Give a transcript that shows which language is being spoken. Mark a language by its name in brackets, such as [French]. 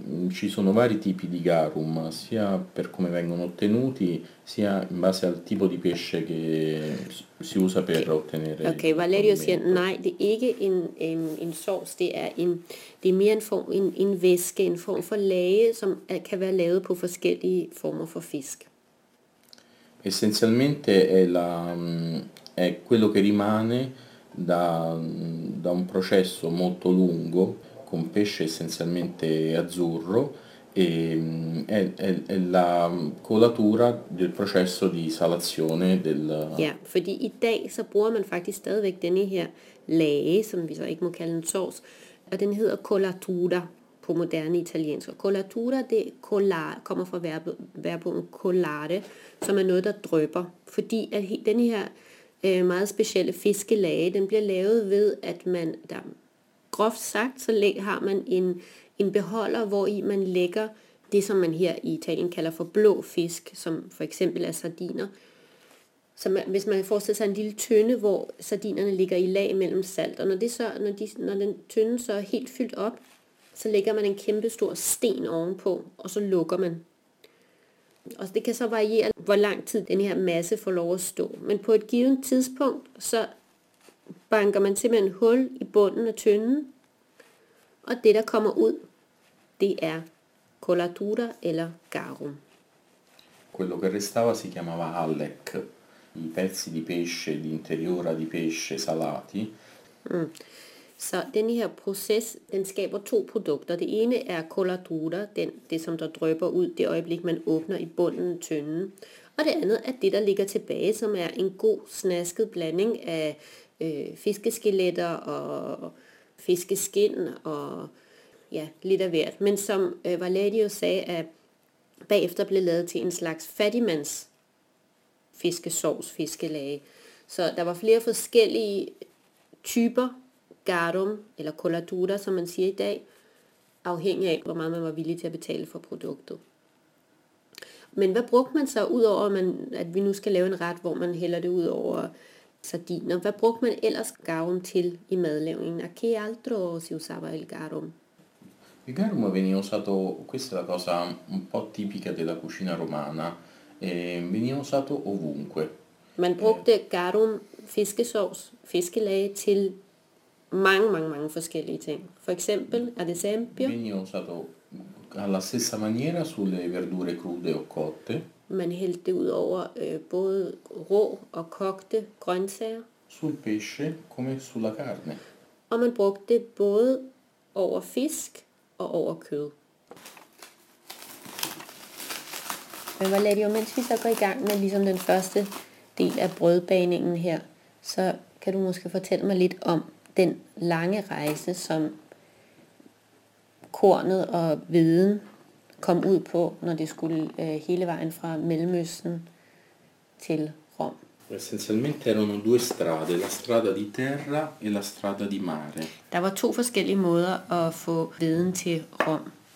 [Italian] Ci sono vari tipi di garum, sia per come vengono ottenuti, sia in base al tipo di pesce che si usa per ottenere. [Danish] Ok, Valerio si nej, det er ikke en sovs, det er en, det er mere en form, en væske, en form for lage, som kan være lavet på forskellige former for fisk. [Italian] Essenzialmente è quello che rimane da un processo molto lungo con pesce essenzialmente azzurro e è la colatura del processo di salazione del. [Danish] Ja, fordi i dag så bruger man faktisk stadigvæk denne her lage, som vi så ikke må kalde en sovs, og den hedder colatura på moderne italiensk. Colatura, det kommer fra verbet colare, som er noget der drøber, fordi at denne her meget specielle fiskelage, den bliver lavet ved at man der groft sagt, så har man en beholder, hvor i man lægger det, som man her i Italien kalder for blå fisk, som for eksempel er sardiner. Så man, hvis man forestiller sig en lille tønde, hvor sardinerne ligger i lag mellem salt, og når den tønde så er helt fyldt op, så lægger man en kæmpe stor sten ovenpå, og så lukker man. Og det kan så variere, hvor lang tid den her masse får lov at stå. Men på et givet tidspunkt, så banker man simpelthen hul i bunden af tønden, og det, der kommer ud, det er colatura eller garum. [Italian] Quello che restava si chiamava hallec, i pezzi di pesce, di interiora di pesce salati. Mm. [Danish] Så den her proces, den skaber to produkter. Det ene er colatura, det som der drøber ud, det øjeblik, man åbner i bunden af tønden. Og det andet er det, der ligger tilbage, som er en god snasket blanding af fiskeskeletter og fiskeskind og ja, lidt af hvert. Men som Valerio sagde, at bagefter blev lavet til en slags fattigmands fiskesovs fiskelage. Så der var flere forskellige typer garum eller colatura, som man siger i dag, afhængig af, hvor meget man var villig til at betale for produktet. Men hvad brugte man så, ud over at vi nu skal lave en ret, hvor man hælder det ud over sardiner. Hvad brugte man ellers garum til i madlavningen? [Italian] A che altro si usava il garum? Il garum veniva usato, questa è la cosa un po' tipica della cucina romana, veniva usato ovunque. [Danish] Man brugte garum, fiskesovs, fiskelage til mange, mange, mange forskellige ting. For eksempel, [Italian] ad esempio? Veniva usato alla stessa maniera sulle verdure crude o cotte. [Danish] Man hældte det ud over både rå og kogte grøntsager. [Italian] Sul pesce come sulla carne. [Danish] Og man brugte det både over fisk og over kød. Men Valerio, mens vi så går i gang med ligesom den første del af brødbagningen her, så kan du måske fortælle mig lidt om den lange rejse, som kornet og hveden kom ud på, når det skulle hele vejen fra Mellemøsten til Rom. [Italian] Essenzialmente erano due strade, la strada di terra e la strada di mare. [Danish] Der var to forskellige måder at få hveden til Rom.